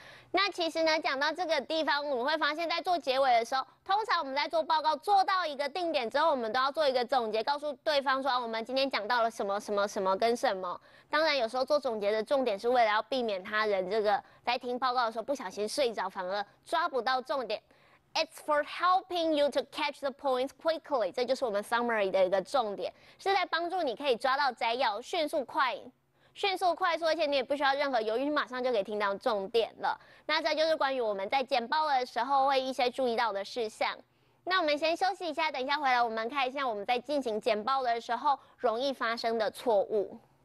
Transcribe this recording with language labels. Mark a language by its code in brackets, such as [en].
[zh] 那其实呢，讲到这个地方，我们会发现在做结尾的时候，通常我们在做报告做到一个定点之后，我们都要做一个总结，告诉对方说、啊、我们今天讲到了什么什么什么跟什么。当然有时候做总结的重点是为了要避免他人这个在听报告的时候不小心睡着，反而抓不到重点。 [en] It's for helping you to catch the points quickly. [zh] 这就是我们 summary 的一个重点，是在帮助你可以抓到摘要，迅速快。迅速快速，而且你也不需要任何犹豫，马上就可以听到重点了。那这就是关于我们在简报的时候会一些注意到的事项。那我们先休息一下，等一下回来我们看一下我们在进行简报的时候容易发生的错误。